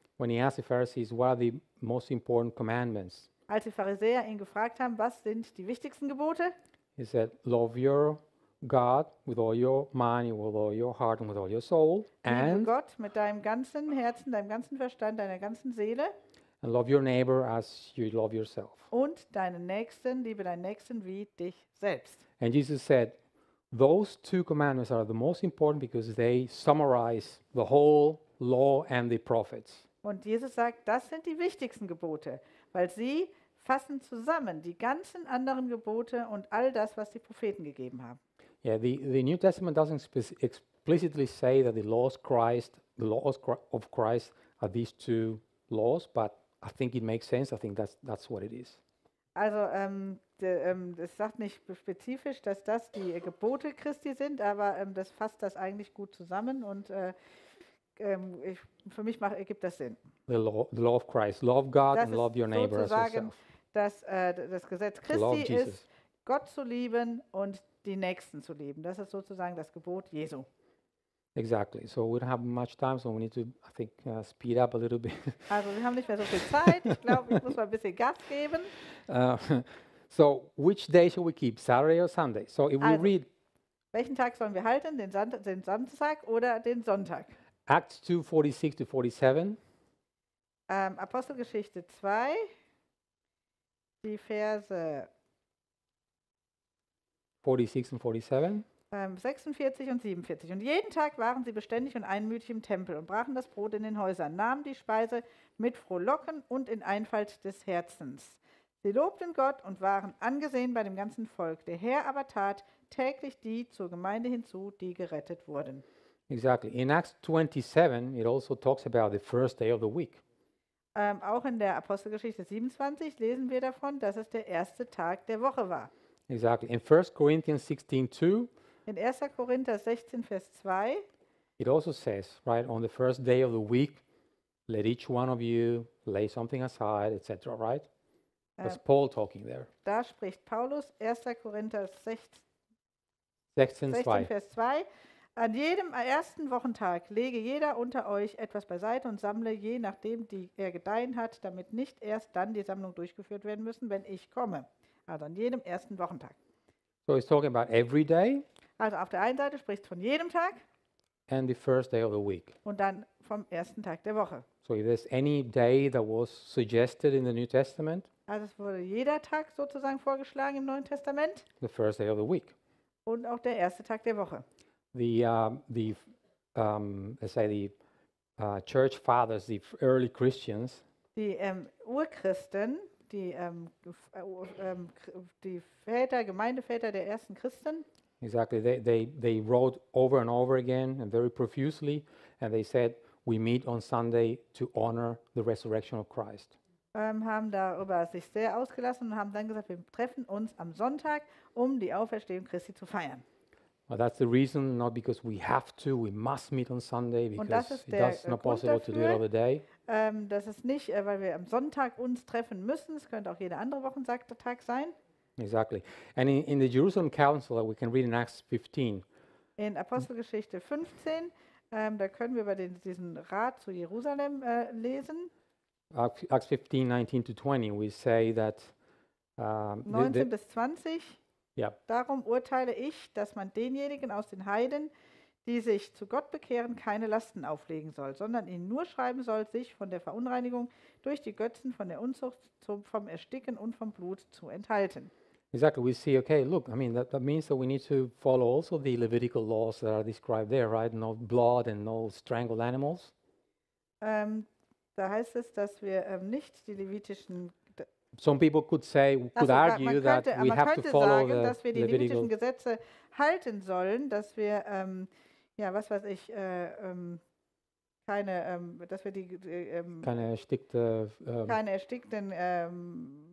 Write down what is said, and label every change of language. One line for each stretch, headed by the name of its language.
English: When he asked the Pharisees, what are the most important commandments?
German: Als die Pharisäer ihn gefragt haben, was sind die wichtigsten Gebote?
English: He said, love your God with all your mind, with all your heart and with all your soul.
German: Liebe Gott mit deinem ganzen Herzen, deinem ganzen Verstand, deiner ganzen Seele.
English: And love your neighbor as you love yourself.
German: Und deinen Nächsten, liebe deinen Nächsten wie dich selbst.
English: And Jesus said, those two commandments are the most important because they summarize the whole law and the prophets.
German: Und Jesus sagt, das sind die wichtigsten Gebote, weil sie fassen zusammen die ganzen anderen Gebote und all das, was die Propheten gegeben haben.
English: Yeah, the New Testament doesn't explicitly say that the laws of Christ are these two laws, but I think it makes sense. I think that's what it is.
German: Also, es sagt nicht spezifisch, dass das die Gebote Christi sind, aber das fasst das eigentlich gut zusammen und für mich ergibt das Sinn.
English: The law of Christ. Love God
German: das
English: and love your neighbor as yourself.
German: Das Gesetz Christi ist, Gott zu lieben und die Nächsten zu lieben. Das ist sozusagen das Gebot Jesu.
English: Exactly. So we don't have much time, so we need to, I think, speed up a little bit.
German: Also wir haben nicht mehr so viel Zeit. Ich glaube, ich muss mal ein bisschen Gas geben.
English: So which day should we keep, Saturday or Sunday? So if
German: also,
English: we read,
German: welchen Tag sollen wir halten, den Samstag oder den Sonntag?
English: Acts 2, 46 to 47.
German: Apostelgeschichte 2, die Verse 46 und 47. 46 und 47. Und jeden Tag waren sie beständig und einmütig im Tempel und brachen das Brot in den Häusern, nahmen die Speise mit Frohlocken und in Einfalt des Herzens. Sie lobten Gott und waren angesehen bei dem ganzen Volk. Der Herr aber tat täglich die zur Gemeinde hinzu, die gerettet wurden.
English: Exactly. In Acts 27, it also talks about the first day of the week.
German: Auch in der Apostelgeschichte 27 lesen wir davon, dass es der erste Tag der Woche war.
English: Exactly. In 1. Corinthians 16, 2,
German: in 1. Korinther 16, Vers 2,
English: it also says, right, on the first day of the week, let each one of you lay something aside, etc., right? That's Paul talking there.
German: Da spricht Paulus, 1. Korinther 16, 2. Vers 2, an jedem ersten Wochentag lege jeder unter euch etwas beiseite und sammle, je nachdem die er gedeihen hat, damit nicht erst dann die Sammlung durchgeführt werden müssen, wenn ich komme. Also an jedem ersten Wochentag.
English: So he's talking about every day.
German: Also auf der einen Seite spricht von jedem Tag.
English: And the first day of the week.
German: Und dann vom ersten Tag der Woche.
English: So if there's any day that was suggested in the New Testament.
German: Also es wurde jeder Tag sozusagen vorgeschlagen im Neuen Testament.
English: The first day of the week.
German: Und auch der erste Tag der Woche.
English: Church fathers, the early Christians.
German: Die Urchristen, die Väter, Gemeindeväter der ersten Christen.
English: Exactly. They wrote over and over again and very profusely, and they said, "We meet on Sunday to honor the resurrection of Christ."
German: Haben darüber sich sehr ausgelassen und haben dann gesagt, wir treffen uns am Sonntag, um die Auferstehung Christi zu feiern.
English: Well, that's the reason, not because we have to, we must meet on Sunday, because it's not possible to do it all the day.
German: Das ist nicht, weil wir am Sonntag uns treffen müssen. Es könnte auch jeder andere Wochentag sein.
English: Exactly. And in the Jerusalem Council, we can read in Acts 15.
German: In Apostelgeschichte 15, da können wir über diesen Rat zu Jerusalem lesen.
English: Acts 15, 19 to 20, we say that...
German: 19 bis 20.
English: Yeah.
German: Darum urteile ich, dass man denjenigen aus den Heiden, die sich zu Gott bekehren, keine Lasten auflegen soll, sondern ihnen nur schreiben soll, sich von der Verunreinigung durch die Götzen, von der Unzucht, vom Ersticken und vom Blut zu enthalten.
English: Exactly, we see, okay, look, I mean, that means that we need to follow also the Levitical laws that are described there, right? No blood and no strangled animals.
German: Da heißt es, dass wir nicht die levitischen...
English: Some people could say, could also, argue
German: könnte,
English: that we have to follow
German: sagen,
English: the
German: dass wir die
English: Levitical
German: levitischen Gesetze halten sollen, dass wir keine dass wir die keine erstickten